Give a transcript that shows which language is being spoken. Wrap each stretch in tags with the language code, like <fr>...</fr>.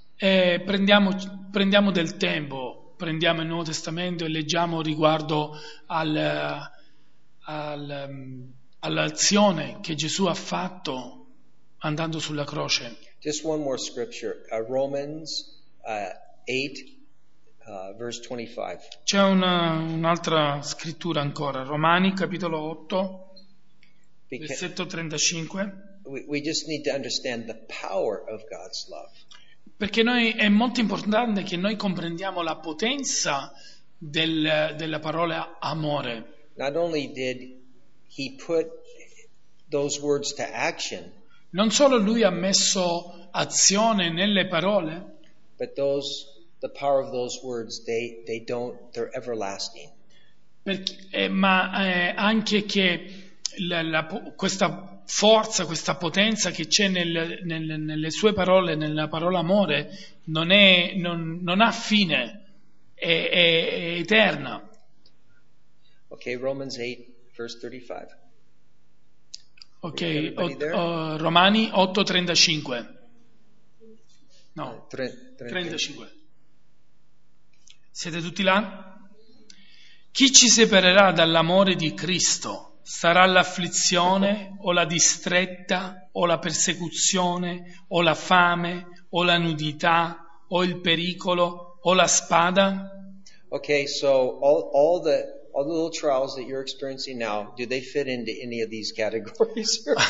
<it>E prendiamo del tempo, prendiamo il Nuovo Testamento e leggiamo riguardo all'azione che Gesù ha fatto andando sulla croce.</it> <en>Just one more scripture, Romans 8. Verse 25.</en> <it>C'è un'altra scrittura ancora, Romani capitolo 8, versetto 35.</it> <en>We just need to understand the power of God's love.</en> <it>Perché noi è molto importante che noi comprendiamo la potenza della parola amore.</it> <en>Not only did he put those words to action.</en> <it>Non solo lui ha messo azione nelle parole,</it> <en>but those the power of those words, they don't, they're everlasting.</en> <it>Anche che questa forza, questa potenza che c'è nelle sue parole, nella parola amore, non ha fine, è eterna.</it> <en>Okay, Romans 8, verse 35.</en> <it>Okay, Romani 8, 35. No, 35. Siete tutti là? Chi ci separerà dall'amore di Cristo? Sarà l'afflizione, o la distretta, o la persecuzione, o la fame, o la nudità, o il pericolo, o la spada?</it> <en>Okay, so all the little trials that you're experiencing now, do they fit into any of these categories?</en>